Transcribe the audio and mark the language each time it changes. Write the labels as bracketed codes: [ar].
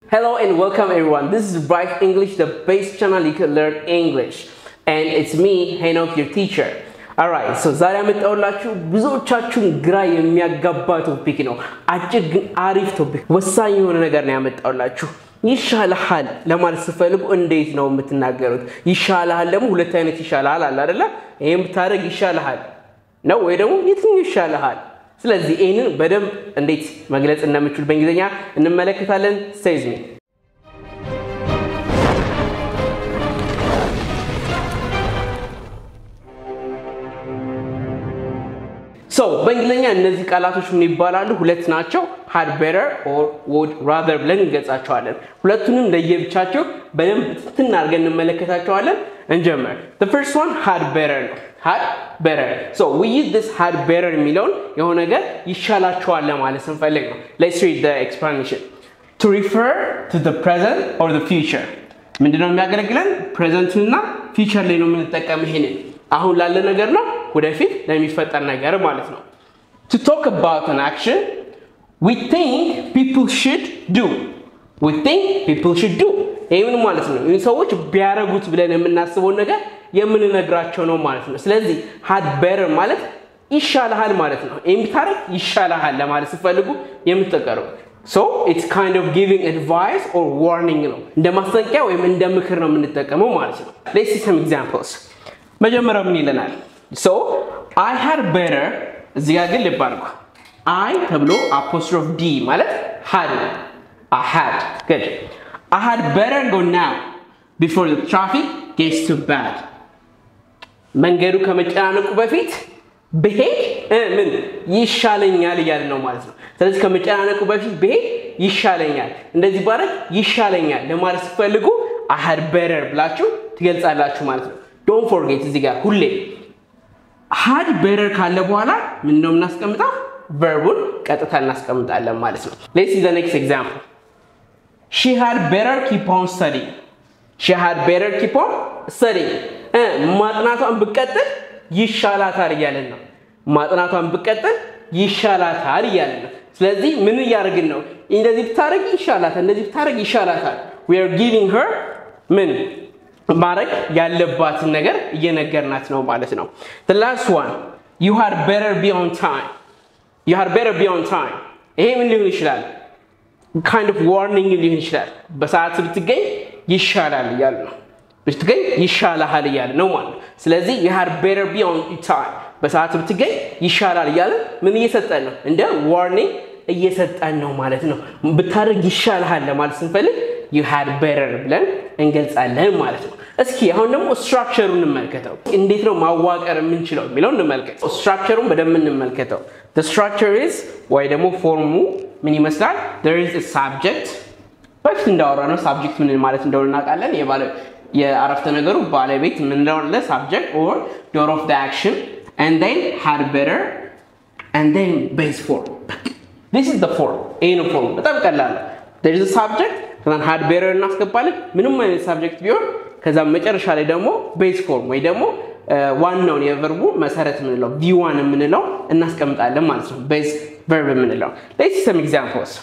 [en] Hello and welcome everyone. This is Bright English, the best channel you can learn English. And it's me, Henok, your teacher. [am] Alright, so ዛሬ አመጣሁላችሁ ብዙዎቻችሁን ግራ የሚያጋባ topic ነው። አጭር ግን አሪፍ topic ወሳኝ የሆነ ነገር ነው ያመጣሁላችሁ። ይሻላል ለማለት ስፈልጉ እንዴት ነው የምትናገሩት? ይሻላል ደግሞ ሁለት አይነት ይሻላል አለ አይደለ? ይሄን ብታረግ ይሻላል ነው ወይ ደግሞ የትኛው ይሻላል? ስለዚህ ይሄንን በደም እንዴት መግለጽ እንደምችል በእንግሊዘኛ እንመለከታለን [en] says me. So, [am] በእንግሊዘኛ እነዚህ ቃላቶች ምን ይባላሉ? ሁለት ናቸው። [en] Had better or would rather [am] ብለን እንገልጻቸዋለን። ሁለቱንም ለየብቻቸው በደም ትናርገን እንመለከታቸዋለን እንጀምር። [en] The first one had better. Had better. So we use this had better milon. [am] የሆነ ነገር ይሻላቸዋል ለማለት ስንፈልግ ነው። [en] Let's read the explanation. To refer to the present or the future. [am] ምንድነው የሚያገለግለን? Present እና future ላይ ነው የምንጠቀመው ይሄንን። አሁን ላለ ነገር ነው ወደፊት ለሚፈጠር ነገር ማለት ነው። [en] To talk about an action we think people should do. We think people should do. [am] ይሄን ማለት ነው። ይህን ሰዎች ቢያረጉት ብለን የምናስበው ነገር የምንነግራቸው ነው ማለት ነው። ስለዚህ had better ማለት ይሻላል ማለት ነው። ይሄን ብታረግ ይሻላል ለማለት ስፈልጉ የምትጠቀሩት። [en] So it's kind of giving advice or warning [am] ነው። እንደ ማስጠንቀቂያ ወይም እንደ ምክር ነው የምንጠቀመው ማለት ነው። [en] Let's see some examples. [am] መጀመሪያ ምን ይለናል? [en] So I had better [am] እዚህ ጋር ግን ልብ አድርጉ። I ተብሎ apostrophe D ማለት had ነው። [en] I had. Good. I had better go now before the traffic gets too bad. [am] መንገዱ ከመጨናነቁ በፊት ብሄድ ምን ይሻለኛል እያለ ነው ማለት ነው። ስለዚህ ከመጨናነቁ በፊት ብሄድ ይሻለኛል። እንደዚህ ባረግ ይሻለኛል ለማለት ስትፈልጉ I had better ብላችሁ ትገልጻላችሁ ማለት ነው። [en] Don't forget [am] እዚህ ጋር ሁሌ had better ካለ በኋላ ምን ነው እናስቀምጣ? ቨርቡን ቀጥታ እናስቀምጣለን ማለት ነው። [en] Let's see the next example. She had better keep on studying. She had better keep on studying. [am] ማጥናቷን ብቀጥል ይሻላታል እያለን ነው። ማጥናቷን ብቀጥል ይሻላታል እያለን ነው። ስለዚህ ምን ያርግን ነው? እንደዚህ ብታረግ ይሻላታል፣ እንደዚህ ብታረግ ይሻላታል። [en] We are giving her [am] ምን ማረግ ያለባትን ነገር እየነገርናት ነው ማለት ነው። [en] The last one. You had better be on time. You had better be on time. [am] ይሄ ምን ሊሆን ይችላል? [en] Kind of warning [am] ሊሆን ይችላል። በሰዓት ብትገኝ ይሻላል እያለ ነው። ብትገኝ ይሻላል እያለ ነው ማለት ነው። ስለዚህ [en] you had better be on time. [am] በሰዓት ብትገኝ ይሻላል እያለ ምን እየሰጠን ነው? እንደ warning እየሰጠን ነው ማለት ነው። ብታረግ ይሻላል ለማለት ስንፈልግ you had better ብለን እንገልጻለን ማለት ነው። እስኪ አሁን ደግሞ structure እንመልከተው። እንዴት ነው ማዋቀር የምንችለው የሚለው እንመልከት። structure-ውን በደንብ እንመልከተው። [en] The structure is [am] ወይ ደግሞ form-ው ምን ይመስላል? [en] There is a subject. [am] በፊት እንዳወራነው subject ምን ማለት እንደሆነ እናውቃለን። የአረፍተ ነገሩ ባለቤት ምን እንደሆነ [en] subject or doer of the action and then had better and then base form. This is the form. [am] ይህን form በጣም ቀላል ነው። [en] There is a subject [am] ከዛ had better እናስገባለን። ምንም አይነት subject ቢሆን ከዛ መጨረሻ ላይ ደግሞ base form ወይ ደግሞ ዋናውን የቨርቡ መሰረት የምንለው v1 የምንለው እናስቀምጣለን ማለት ነው። base verb የምንለው [en] let's see some examples.